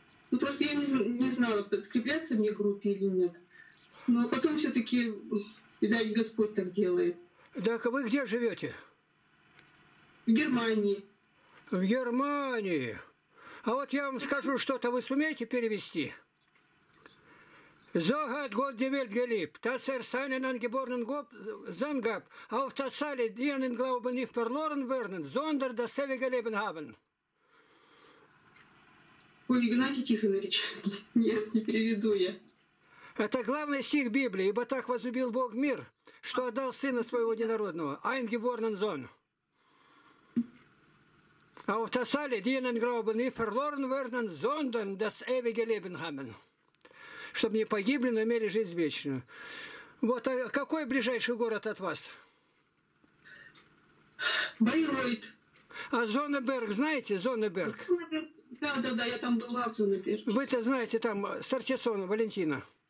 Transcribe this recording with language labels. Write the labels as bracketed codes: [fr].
[ru] Ну, просто я не знала, подкрепляться мне группе или нет. Ну, а потом все-таки, видать, Господь так делает. Так, а вы где живете? В Германии. В Германии. А вот я вам скажу что-то, вы сумеете перевести? [de] So hat Gott die Welt geliebt, dass er seinen angeborenen Sohn gab, auf dass alle, die an den Glauben nicht verloren werden, sondern das ewige Leben haben. [ru] Ой, Игнатий Тихонович, нет, не переведу я. Это главный стих Библии, ибо так возлюбил Бог мир, что отдал Сына Своего Единородного, [de] angeborenen Sohn. Auf das alle, die an Glauben nicht verloren werden, sondern das ewige Leben haben. [ru] Чтобы не погибли, но имели жизнь вечную. Вот, а какой ближайший город от вас? Байройт. А Зоннеберг, знаете Зоннеберг? Да, я там была в Зоннеберге. Вы-то знаете там с Артисоном, Валентина?